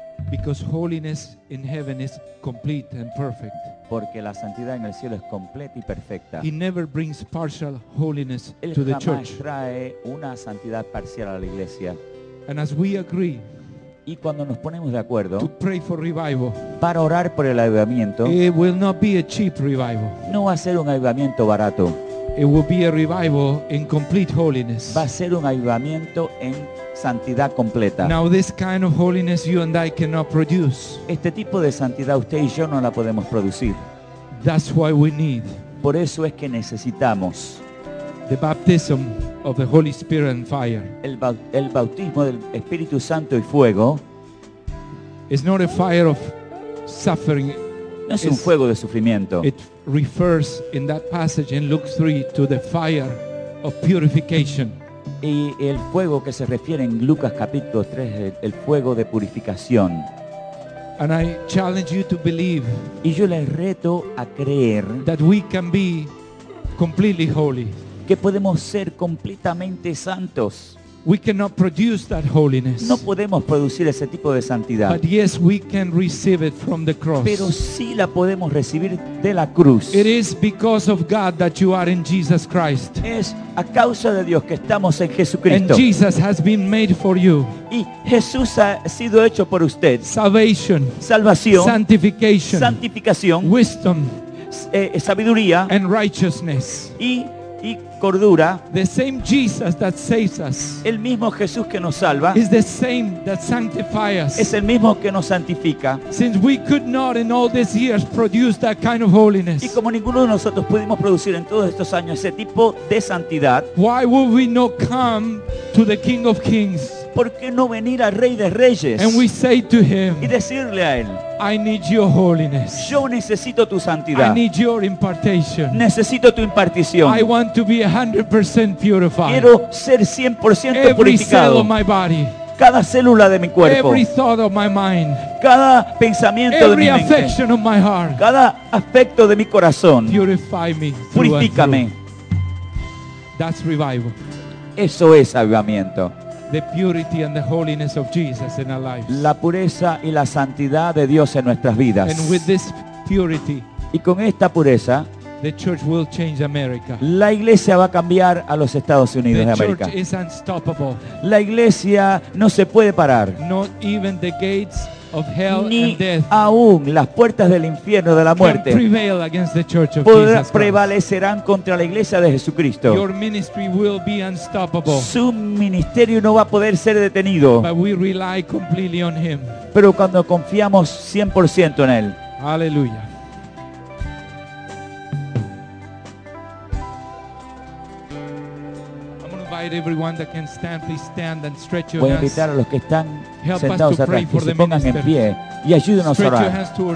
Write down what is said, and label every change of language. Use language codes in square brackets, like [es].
[en] Because holiness in heaven is complete and perfect. [es] Porque la santidad en el cielo es completa y perfecta. [en] He never brings partial holiness [es] él [en] to the church. [es] Él jamás trae una santidad parcial a la iglesia. [en] And as we agree, [es] y cuando nos ponemos de acuerdo [en] to pray for revival, [es] para orar por el avivamiento, [en] it will not be a cheap revival. [es] No va a ser un avivamiento barato. [en] It will be a revival in complete holiness. [es] Va a ser un avivamiento en santidad completa. [en] Now this kind of holiness you and I cannot produce. [es] Este tipo de santidad usted y yo no la podemos producir. [en] That's why we need. [es] Por eso es que necesitamos [en] the baptism of the Holy Spirit and fire. [es] El bautismo del Espíritu Santo y fuego. [en] It's not a fire of suffering. [es] No es un fuego de sufrimiento. [en] It refers in that passage in Luke 3 to the fire of purification. [es] Y el fuego que se refiere en Lucas capítulo 3, el fuego de purificación. [en] And I challenge you to believe. [es] Y yo les reto a creer [en] that we can be completely holy. [es] Que podemos ser completamente santos. [en] We cannot produce that holiness. [es] No podemos producir ese tipo de santidad. [en] But yes, we can receive it from the cross. [es] Pero sí la podemos recibir de la cruz. [en] It is because of God that you are in Jesus Christ. [es] Es a causa de Dios que estamos en Jesucristo. [en] And Jesus has been made for you. [es] Y Jesús ha sido hecho por usted. [en] Salvation. [es] Salvación. [en] Sanctification. [es] Santificación. [en] Wisdom. [es] Sabiduría. [en] And righteousness. [es] Y y cordura. [en] The same Jesus that saves us. [es] El mismo Jesús que nos salva. [en] Is the same that sanctifies us. [es] Es el mismo que nos santifica. [en] Since we could not in all these years produce that kind of holiness. [es] Y como ninguno de nosotros pudimos producir en todos estos años ese tipo de santidad. [en] Why would we not come to the King of Kings? [es] ¿Por qué no venir al Rey de Reyes? [en] And we say to him, [es] y decirle a él, [en] I need your holiness. [es] Yo necesito tu santidad. [en] I need your impartation. [es] Necesito tu impartición. [en] I want to be 100% purified. [es] Quiero ser 100% purificado. [en] Every cell of my body. [es] Cada célula de mi cuerpo. [en] Every thought of my mind. [es] Cada pensamiento [en] Every [es] de mi mente. [en] Affection of my heart. [es] Cada afecto de mi corazón. [en] Purify me. [es] Purifícame. [en] That's revival. [es] Eso es avivamiento. [en] The purity and the holiness of Jesus in our lives. [es] La pureza y la santidad de Dios en nuestras vidas. [en] And with this purity, [es] y con esta pureza, [en] the church will change America. [es] La iglesia va a cambiar a los Estados Unidos de América. [en] The church is unstoppable. [es] La iglesia no se puede parar. [en] Not even the gates of hell [es] ni [en] and death. [es] Aún las puertas del infierno de la muerte [en] prevail against the church of Jesus Christ. [es] Prevalecerán contra la iglesia de Jesucristo. [en] Your ministry will be unstoppable. [es] Su ministerio no va a poder ser detenido. [en] But we rely completely on him. [es] Pero cuando confiamos 100% en él. Aleluya. [en] Everyone that can stand, please stand and stretch your [es] Voy a invitar [en] hands. [es] A los que están sentados atrás que se pongan en pie y ayúdenos a orar.